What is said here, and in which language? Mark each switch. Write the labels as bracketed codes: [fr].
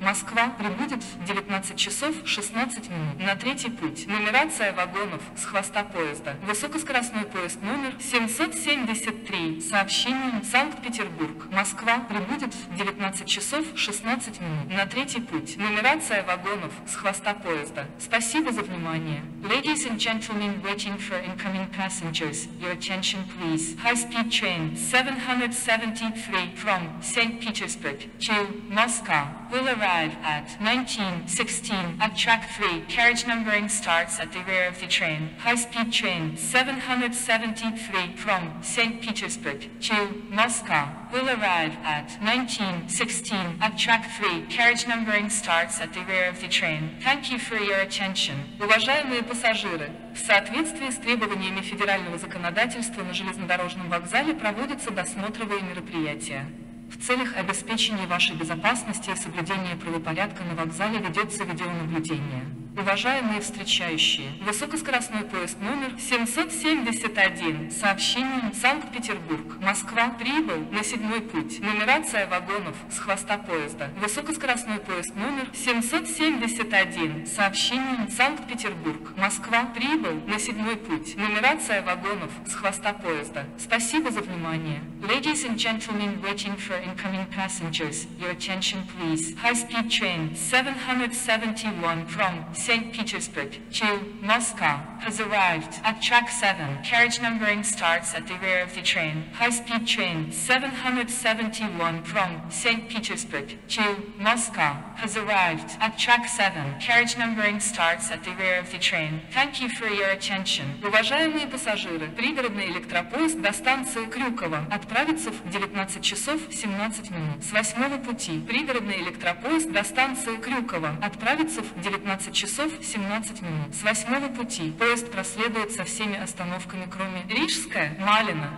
[ru] Москва прибудет в 19:16 на 3-й путь. Нумерация вагонов с хвоста поезда. Высокоскоростной поезд номер 773 сообщением Санкт-Петербург. Москва прибудет в 19:16 на 3-й путь. Нумерация вагонов с хвоста поезда. Спасибо за внимание. [en] Ladies and gentlemen waiting for incoming passengers, your attention please. High speed train 773 from St. Petersburg to Moscow will arrive at 1916 at track 3. Carriage numbering starts at the rear of the train. High-speed train 773 from St. Petersburg to Moscow will arrive at 1916 at track 3. Carriage numbering starts at the rear of the train. Thank you for your attention. [ru] Уважаемые пассажиры, в соответствии с требованиями федерального законодательства на железнодорожном вокзале проводятся досмотровые мероприятия. В целях обеспечения вашей безопасности и соблюдения правопорядка на вокзале ведется видеонаблюдение. Уважаемые встречающие, высокоскоростной поезд номер 771, сообщение Санкт-Петербург, Москва, прибыл на 7-й путь. Нумерация вагонов с хвоста поезда. Высокоскоростной поезд номер 771, сообщение Санкт-Петербург, Москва, прибыл на 7-й путь. Нумерация вагонов с хвоста поезда. Спасибо за внимание. [en] Ladies and gentlemen waiting for incoming passengers, your attention please. High speed train 771 from St. Petersburg to Moscow has arrived at track 7. Carriage numbering starts at the rear of the train. High speed train 771 from St. Petersburg to Moscow has arrived at track 7. Carriage numbering starts at the rear of the train. Thank you for your attention. [ru] Уважаемые пассажиры, пригородный электропоезд до станции Крюково отправится в 19 часов 17 минут с 8-го пути. Пригородный электропоезд до станции Крюково отправится в 19 часов 17 минут. С 8-го пути поезд проследует со всеми остановками, кроме Рижская, Малина.